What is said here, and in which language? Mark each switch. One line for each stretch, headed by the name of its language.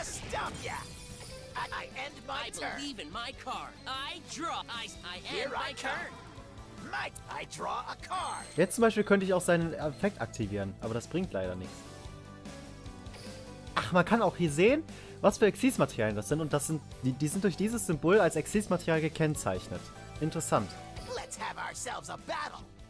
English: I end my turn. I believe in my card. I draw. I end here my turn. I draw a card.
German: Jetzt zum Beispiel könnte ich auch seinen Effekt aktivieren, aber das bringt leider nichts. Ach, man kann auch hier sehen, was für Exceed-Materialien das sind, und das sind die sind durch dieses Symbol als Exceed-Material gekennzeichnet. Interessant.
English: Let's have ourselves a battle.